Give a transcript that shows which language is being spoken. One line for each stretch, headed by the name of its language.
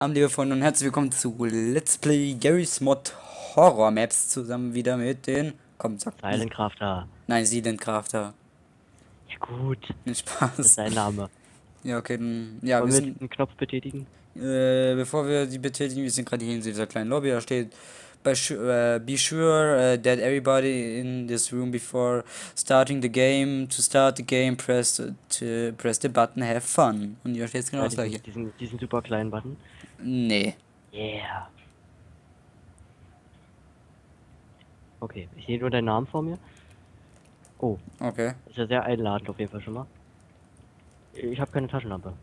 German: Liebe Freunde und herzlich willkommen zu Let's Play Garry's Mod Horror Maps zusammen wieder mit den. Komm, sag. Silent Crafter. Nein, Silent Crafter. Ja, gut. Viel Spaß. Das ist dein Name. Ja, okay, dann. Ja, wollen wir den Knopf betätigen? Bevor wir die betätigen, wir sind gerade hier in dieser kleinen Lobby.
English: Da steht: Be sure that everybody in this room before starting the game. To start the game, press the button, have fun.
German: Und hier steht jetzt genau das gleiche. Diesen super kleinen Button. Nee.
English: Yeah.
German: Okay, ich sehe nur deinen Namen vor mir. Oh. Okay. Ist ja sehr einladend auf jeden Fall schon mal. Ich habe keine Taschenlampe.